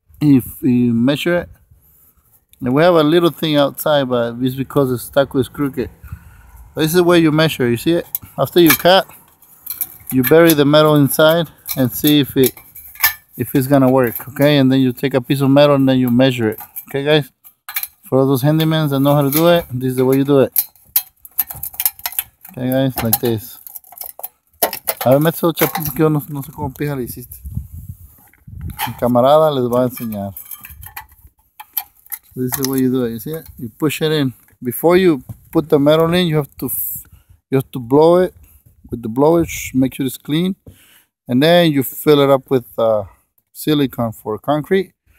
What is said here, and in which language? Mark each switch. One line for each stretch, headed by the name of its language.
English: If you measure it. And we have a little thing outside, but it's because the stucco is crooked. But this is the way you measure. You see it? After you cut, you bury the metal inside and see if it's gonna work. Okay? And then you take a piece of metal and then you measure it. Okay, guys? For those handymen that know how to do it, this is the way you do it. Okay, guys, like this.
Spanish: A ver, meto chapín porque yo no sé cómo pija le hiciste. Mi camarada les va a enseñar.
English: This is the way you do it, you see it? You push it in. Before you put the metal in, you have to blow it with the blower, make sure it's clean. And then you fill it up with silicone for concrete.